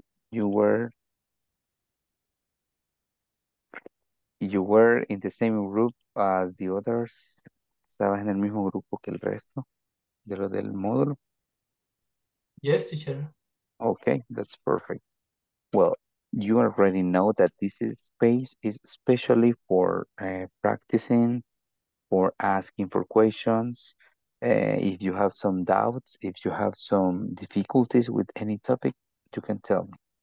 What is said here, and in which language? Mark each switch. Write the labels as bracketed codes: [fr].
[en] You were in the same group as the others. [es] ¿Estabas en el mismo grupo que el resto de lo del módulo? [en] Yes, teacher. Okay, that's perfect. Well, you already know that this space is especially for practicing, for asking for questions. If you have some doubts, if you have some difficulties with any topic, you can tell me.